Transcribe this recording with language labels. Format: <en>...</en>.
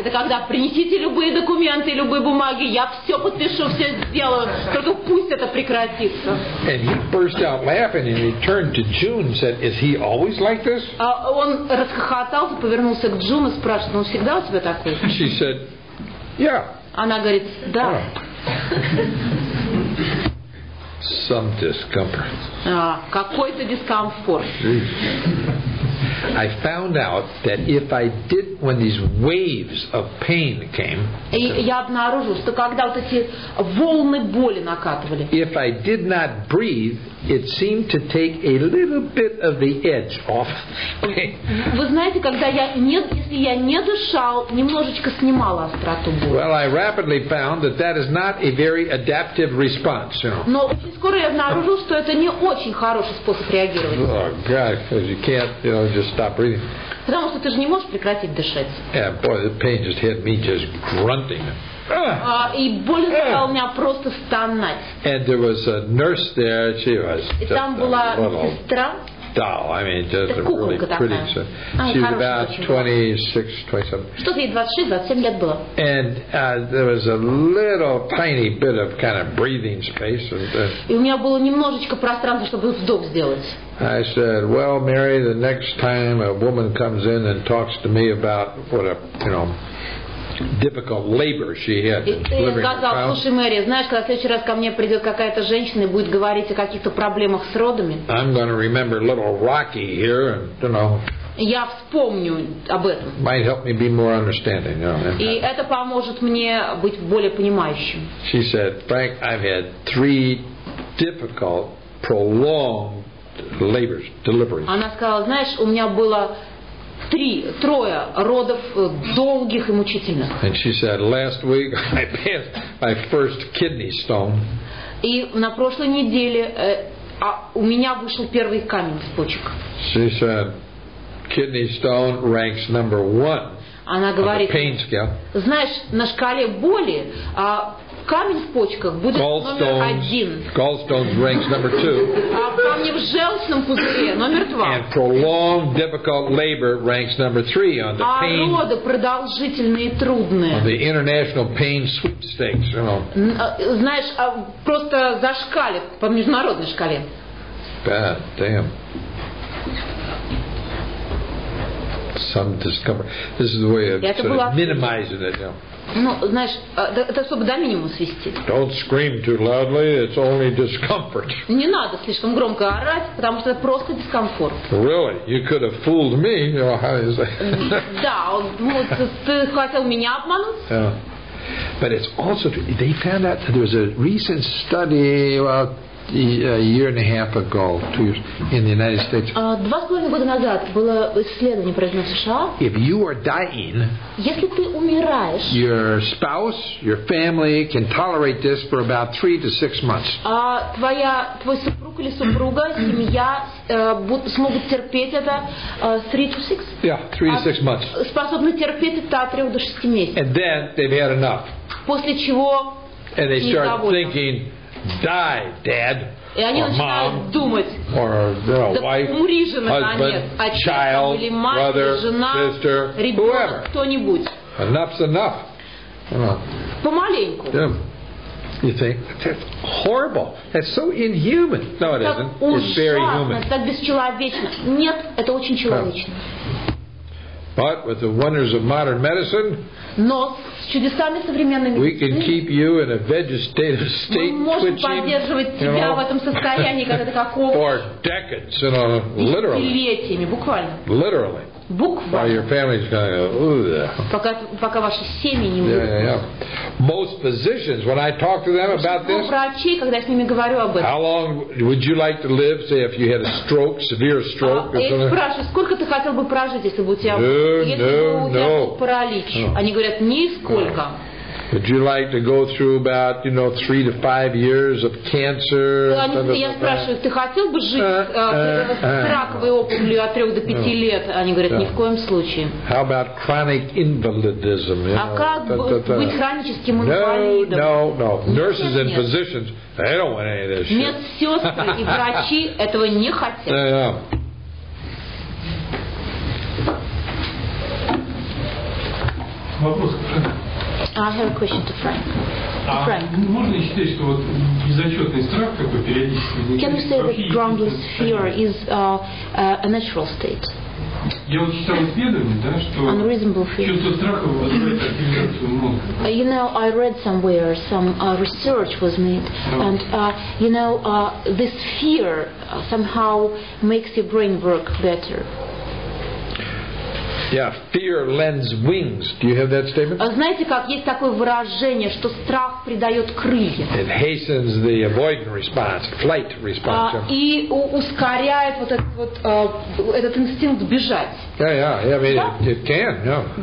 <ru>Это когда принесите любые документы, любые бумаги. Я все подпишу, все сделаю. Только пусть это прекратится.</ru> <en>And he burst out laughing and he turned to June and said, "Is he always like this?"</en> <ru>Он расхохотался, повернулся к Джун и спрашивает, "Он всегда у тебя такой?"</ru> <en>She said, "Yeah."</en> <ru>Она говорит, "Да."</ru> <en>Some discomfort.</en> <ru>Какой-то дискомфорт.</ru> <en>I found out that if I did when these waves of pain came.</en> <ru>Я обнаружил, что когда вот эти волны боли накатывали.</ru> <en>If I did not breathe, it seemed to take a little bit of the edge off.</en> <ru>Вы знаете, когда если я не дышал, немножечко снимало остроту боли.</ru> <en>Well, I rapidly found that that is not a very adaptive response. You know.</en> <ru>Но очень скоро я обнаружил, что это не очень хороший способ реагировать.</ru> <en>Oh God, because you can't, just stop breathing.</en> <ru>Потому что ты же не можешь прекратить дышать.</ru> <en>Yeah, boy, the pain just hit me, just grunting.</en> <ru>И боль стала у меня просто стонать.</ru> <en>And there was a nurse there. She was just</en> <ru>там была сестра.</ru> <en>Doll. I mean, just really pretty. So, she was about 26, 27.</en> <ru>Что-то ей 26-27 лет было.</ru> <en>And there was a little tiny bit of kind of breathing space.</en> <ru>И у меня было немножечко пространства, чтобы вдох сделать.</ru> <en>I said, well, Mary, the next time a woman comes in and talks to me about what a, you know, difficult labor she had delivering the child.</en> <ru>Я сказал: слушай, Мэри, знаешь, когда в следующий раз ко мне придет какая-то женщина и будет говорить о каких-то проблемах с родами,</ru> <en>I'm going to remember little Rocky here, and you know.</en> <ru>Я вспомню об этом.</ru> <en>Might help me be more understanding. You know,</en> <ru>и это поможет мне быть более понимающим.</ru> <en>She said, Frank, I've had three difficult, prolonged labors, deliveries.</en> <ru>Она сказала: знаешь, у меня было трое родов долгих и мучительных.</ru> <en>And she said, last week I passed my first kidney stone.</en> <ru>И на прошлой неделе у меня вышел первый камень из почек.</ru> <en>She said, kidney stone ranks number one.</en> <ru>Она говорит:</ru> <en>on the pain scale.</en> <ru>Знаешь, на шкале боли камень в почках будет номер один.</ru> <en>Gallstones ranks number two.</en> <ru>Камни в желчном пузыре номер два.</ru> <en>And prolonged difficult labor ранks number three on the pain.</en> <ru>А роды продолжительные и трудные.</ru> <en>On the international pain sweepstakes, you know.</en> <ru>Знаешь, просто зашкалит по международной шкале.</ru> <en>Bad damn. Some discomfort. This is the way of sort of minimizing it. You know.</en> <ru>Ну, знаешь, это чтобы до минимума свести.</ru> <en>Don't scream too loudly. It's only discomfort.</en> <ru>Не надо слишком громко орать, потому что это просто дискомфорт.</ru> <en>Really? You could have fooled me. You know, how is that?</en> <ru>Да, ты хотел меня обмануть?</ru> <en>Yeah. But it's also they found out that there was a recent study about a year and a half ago, 2 years in the United States. 2.5 years</en> <ru>назад было исследование проведено в США.</ru> <en>If you are dying,</en> <ru>если ты умираешь,</ru> <en>your spouse, your family can tolerate this for about 3 to 6 months.</en> <ru>Твой супруг или супруга, семья смогут терпеть это</ru> <en>3 to 6. Yeah, 3 to 6 months.</en> <ru>Способны терпеть это от 3 до 6 месяцев.</ru> <en>And then they've had enough.</en> <ru>После чего</ru> <en>and they start thinking. Die, dad, or mom,</en> <ru>думать,</ru> <en>or you know, wife,</en> <ru>умри,</ru> <en>husband,</en> <ru>наконец,</ru> <en>child,</en> <ru>мать,</ru> <en>brother,</en> <ru>жена,</ru> <en>sister,</en> <ru>ребенок,</ru> <en>whoever.</en> <ru>Кто-нибудь.</ru> <en>Enough's enough.</en> <ru>Помаленьку.</ru> <en>Yeah. You think that's horrible? That's so inhuman. No, it</en> <ru>так</ru> <en>isn't.</en> <ru>Ужасно,</ru> <en>it's very human.</en> <ru>Так бесчеловечно. Нет, это очень человечно.</ru> <en>But with the wonders of modern medicine,</en> <ru>но с чудесами современной медицины,</ru> <en>we can keep you in a vegetative state,</en> <ru>мы можем</ru> <en>twitching,</en> <ru>поддерживать тебя,</ru> <en>you know,</en> <ru>в этом состоянии, когда ты как овощ.</ru> <en>For decades, you know, literally.</en> <ru>Десятилетиями, буквально.</ru> <en>Literally.</en> <ru>Буквально.</ru> <en>While your family's kind of ooh.</en> <ru>Пока ваши семьи не умрут.</ru> <en>Yeah. Most physicians, when I talk to them about this,</en> <ru>врачи, когда я с ними говорю об этом,</ru> <en>how long would you like to live, say, if you had a stroke, severe stroke?</en> <ru>Я спрашиваю, сколько ты хотел бы прожить, если бы у тебя был паралич? Они говорят, нисколько.</ru> <en>Would you like to go through about, you know, 3 to 5 years of cancer?</en> <ru>Я спрашиваю, ты хотел бы жить с раковой опухолью от 3 до 5 лет? Они говорят, ни в коем случае.</ru> <en>How about chronic invalidism?</en> <ru>А как быть хроническим инвалидом?</ru> <en>No. Nurses and physicians, they don't want any of this shit.</en> <ru>Нет, сестры и врачи этого не хотят. Вопрос.</ru> <en>I have a question to Frank. Frank, can you say that groundless fear is a natural state? Unreasonable fear. You know, I read somewhere, some research was made, and you know, this fear somehow makes your brain work better. Yeah, fear lends wings. Do you have that statement?</en> <ru>Знаете, как есть такое выражение, что страх придает крылья.</ru> <en>It hastens the avoidant response, flight response.</en> <ru>И ускоряет вот этот вот этот инстинкт бежать.</ru> <en>Yeah. I mean, it can. Yeah.</en>